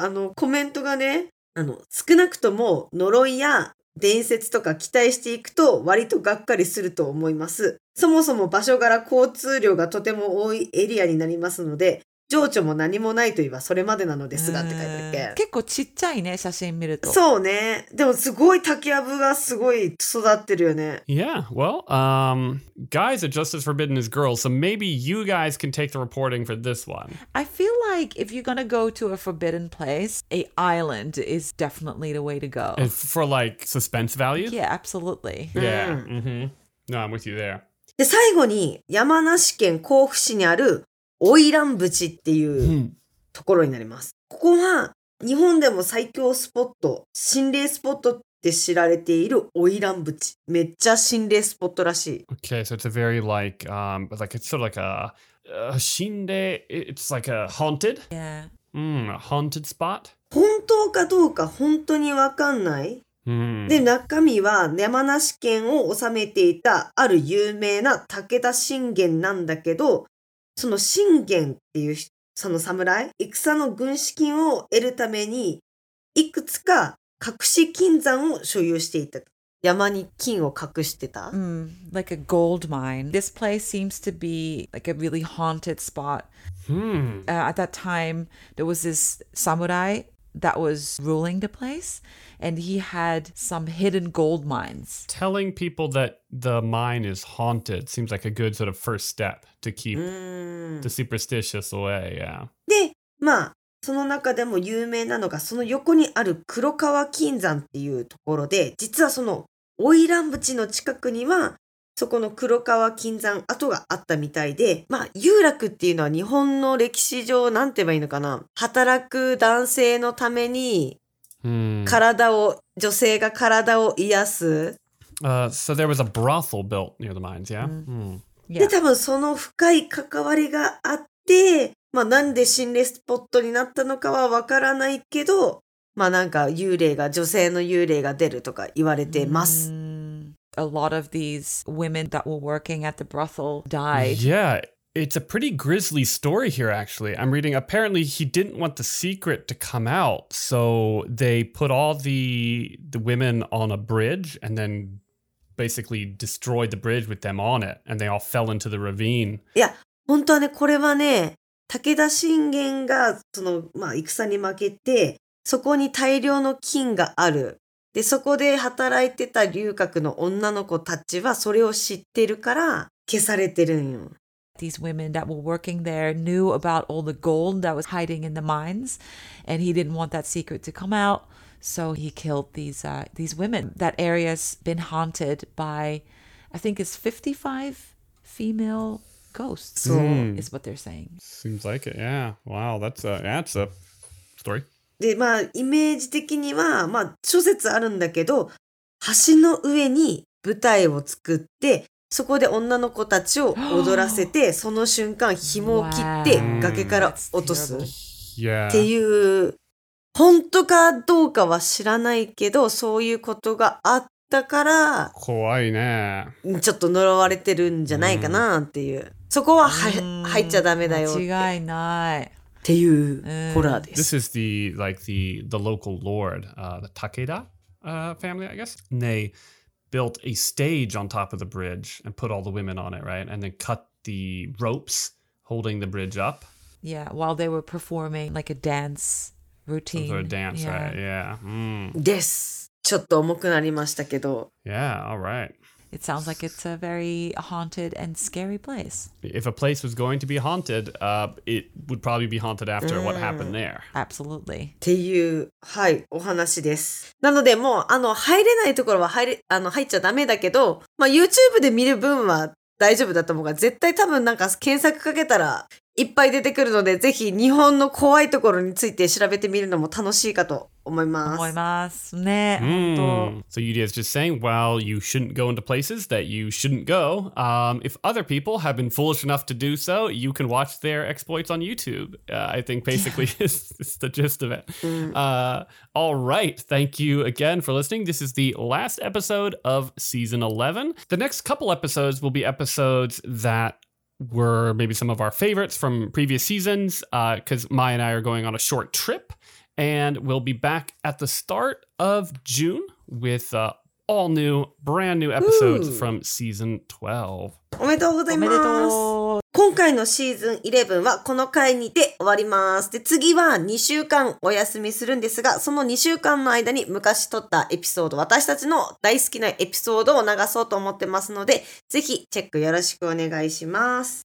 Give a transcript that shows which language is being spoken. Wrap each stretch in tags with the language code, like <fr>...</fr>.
<ja>あのコメントがね、あの少なくとも呪いや伝説とか期待していくと割とがっかりすると思います。そもそも場所柄交通量がとても多いエリアになりますので、情緒も何もないといえばそれまでなのですがって書いてあるけ。結構ちっちゃいね、写真見ると。そうね。でもすごい竹やぶがすごい育ってるよね。</ja> <en>Yeah, well, guys are just as forbidden as girls, so maybe you guys can take the reporting for this one. I feel like if you're gonna go to a forbidden place, a island is definitely the way to go. For like suspense value? Yeah, absolutely. Yeah, mm-hmm. No, I'm with you there.</en> <ja>で最後に山梨県甲府市にある花魁淵っていうところになります。ここは日本でも最強スポット、心霊スポットって知られているオイランブチ。めっちゃ心霊スポットらしい。</ja> <en>Okay, so it's a very like, like it's sort of like a 心霊, it's like a haunted? Yeah. Mm, a haunted spot?</en> <ja>本当かどうか本当にわかんない、 mm. で、中身は山梨県を治めていたある有名な武田信玄なんだけど、その信玄っていう人、その侍、戦の軍資金を得るためにいくつか隠し金山を所有していた。山に金を隠してた。</ja> <en>Mm, like a gold mine. This place seems to be like a really haunted spot. Hmm.、 At that time, there was this samurai that was ruling the place, and he had some hidden gold mines. Telling people that the mine is haunted seems like a good sort of first step to keep、mm. the superstitious away. Yeah.</en> <ja>で、まあ。その中でも有名なのがその横にある黒川金山っていうところで、実はその花魁淵の近くにはそこの黒川金山跡があったみたいで、まあ遊楽っていうのは日本の歴史上なんて言えばいいのかな、働く男性のために体を、女性が体を癒す、</ja> <en>So there was a brothel built near the mines, yeah? Mm. Yeah.</en> <ja>で、多分その深い関わりがあって、まあ、なんで心霊スポットになったのかはわからないけど、まあ、なんか幽霊が、女性の幽霊が出るとか言われてます。</ja> <en>A lot of these women that were working at the brothel died. Yeah, it's a pretty grisly story here, actually. I'm reading, apparently he didn't want the secret to come out, so they put all the women on a bridge and then basically destroyed the bridge with them on it, and they all fell into the ravine.</en> <ja>いや、本当はね、これはね、武田信玄がその、まあ、戦に負けて、そこに大量の金がある。で、そこで働いてた遊郭の女の子たちはそれを知ってるから消されてるんよ。</ja> <en>These women that were working there knew about all the gold that was hiding in the mines, and he didn't want that secret to come out, so he killed these women. That area's been haunted by, I think it's 55 female ghosts, so, is what they're saying. Seems like it, yeah. Wow, that's a story.</en> <ja>で、まあ、イメージ的には、まあ、諸説あるんだけど、橋の上に舞台を作って、そこで女の子たちを踊らせて、その瞬間、紐を切って、崖から落とす。</ja> <en>Yeah.</en> <ja>っていう、本当かどうかは知らないけど、そういうことがあって、だから怖いね。ちょっと呪われてるんじゃないかなっていう。 Mm. そこは入っちゃダメだよって。間違いない。っていうホラーです。</ja> <en>This is the like the local lord, the Takeda family, I guess. And they built a stage on top of the bridge and put all the women on it, right? And then cut the ropes holding the bridge up. Yeah, while they were performing like a dance routine. So a dance, yeah. Right? Yeah. This.、 Mm.</en> <ja>ちょっと重くなりましたけど。</ja> <en>Yeah, all right. It sounds like it's a very haunted and scary place. If a place was going to be haunted, it would probably be haunted after what happened there. Absolutely.</en> <ja>っていう、はい、お話です。なので、もう、入れないところは入っちゃダメだけど、まあ、YouTube で見る分は大丈夫だと思うが、絶対多分なんか検索かけたらいっぱい出てくるので、ぜひ日本の怖いところについて調べてみるのも楽しいかと思います。思いますね。</ja> <en>So Yudia is just saying, well, you shouldn't go into places that you shouldn't go. If other people have been foolish enough to do so, you can watch their exploits on YouTube. I think basically is the gist of it. All right. Thank you again for listening. This is the last episode of season 11. The next couple episodes will be episodes that were maybe some of our favorites from previous seasons, because Mai and I are going on a short trip, and we'll be back at the start of June with all new, brand new episodes from season 12.</en> <ja>おめでとうございます。おめでとう。今回のシーズン11はこの回にて終わります。で、次は2週間お休みするんですが、その2週間の間に昔撮ったエピソード、私たちの大好きなエピソードを流そうと思ってますので、ぜひチェックよろしくお願いします。</ja>